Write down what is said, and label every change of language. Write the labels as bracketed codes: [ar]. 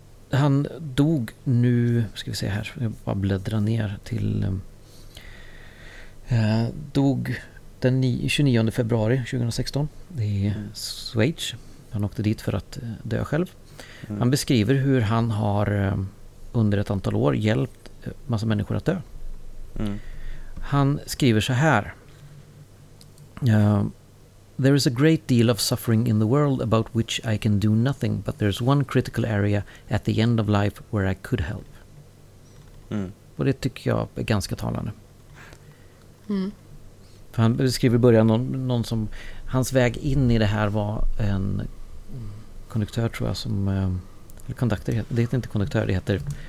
[sv] Han dog nu, ska vi se här, jag bara bläddrar ner till dog den 29 februari 2016 i Schweiz. Han åkte dit för att dö själv. Han beskriver hur han har under ett antal år hjälpt massa människor att dö. Han skriver så här: [en] there is a great deal of suffering in the world about which I can do nothing, but there's one critical area at the end of life where I could help. [sv] Och det tycker jag är ganska talande. För han beskriver i början någon som hans väg in i det här var en konduktör, tror jag, som eller konduktör, det heter inte konduktör, det heter